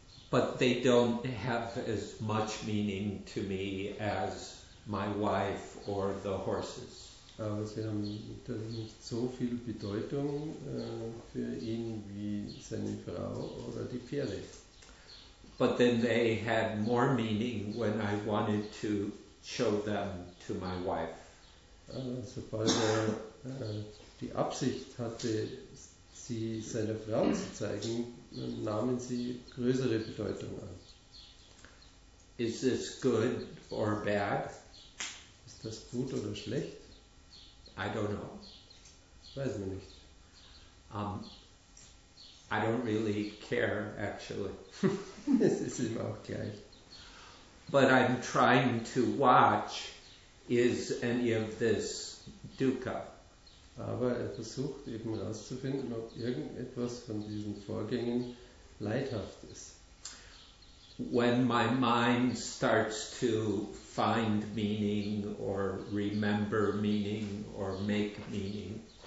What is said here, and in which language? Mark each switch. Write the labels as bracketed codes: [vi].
[en] But they don't have as much meaning to me as my wife or the horses. [de] Aber sie haben nicht so viel Bedeutung für ihn wie seine Frau oder die Pferde. [en] But then they had more meaning when I wanted to show them to my wife. [de] Sobald er die Absicht hatte, sie seiner Frau zu zeigen, nahmen sie größere Bedeutung an. [en] Is this good or bad? [de] Ist das gut oder schlecht? [en] I don't know. [de] Weiß man nicht. [en] I don't really care, actually. [de] Es ist ihm auch gleich. [en] But I'm trying to watch, is any of this dukkha? [de] Aber er versucht eben herauszufinden, ob irgendetwas von diesen Vorgängen leidhaft ist. [en] When my mind starts to find meaning or remember meaning or make meaning.